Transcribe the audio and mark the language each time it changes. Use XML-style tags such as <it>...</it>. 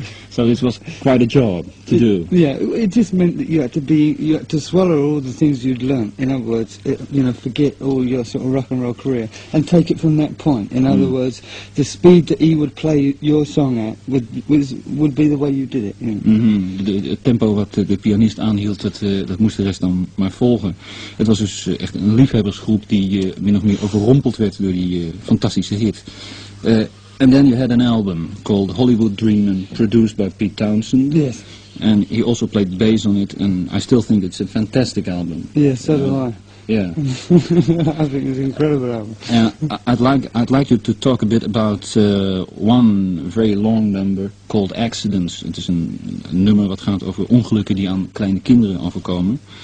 <en>So this was quite a job to do. Yeah, it just meant that you had to swallow all the things you'd learned. In other words, you know, forget all your sort of rock and roll career and take it from that point. In other words, the speed that he would play your song at would be the way you did it. You know? Mm-hmm.</en> <nl>Het tempo wat de pianist aanhield, dat moest de rest dan maar volgen. Het was dus echt een liefhebbersgroep die min of meer overrompeld werd door die fantastische hit.</nl> <en>And then you had an album called Hollywood Dream, and produced by Pete Townshend. Yes. And he also played bass on it, and I still think it's a fantastic album. Yes, so do I. Yeah. I think it's an incredible album. I'd like you to talk a bit about one very long number called Accidents.</en> <nl>Het is een nummer wat gaat over ongelukken die aan kleine kinderen overkomen.</nl>